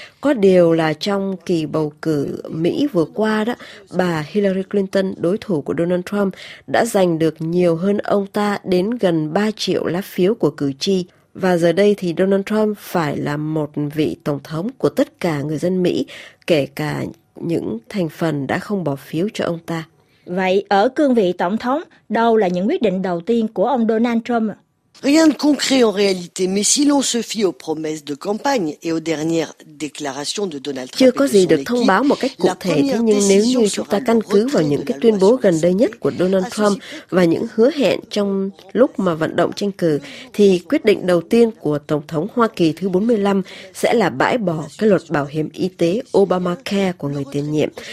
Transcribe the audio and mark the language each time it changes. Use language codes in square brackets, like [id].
[vi] Có điều là trong kỳ bầu cử Mỹ vừa qua đó, bà Hillary Clinton, đối thủ của Donald Trump, đã giành được nhiều hơn ông ta đến gần 3 triệu lá phiếu của cử tri. Và giờ đây thì Donald Trump phải là một vị Tổng thống của tất cả người dân Mỹ, kể cả những thành phần đã không bỏ phiếu cho ông ta. Vậy ở cương vị tổng thống, đâu là những quyết định đầu tiên của ông Donald Trump? [fr] Rien de concret en réalité, mais si l'on se fie aux promesses de campagne et aux dernières déclarations de Donald Trump, [vi] chưa có gì được thông báo một cách cụ thể. Thế nhưng nếu như chúng ta căn cứ vào những cái tuyên bố gần đây nhất của Donald Trump và những hứa hẹn trong lúc mà vận động tranh cử, thì quyết định đầu tiên của Tổng thống Hoa Kỳ thứ 45 sẽ là bãi bỏ cái luật bảo hiểm y tế Obamacare của người tiền nhiệm.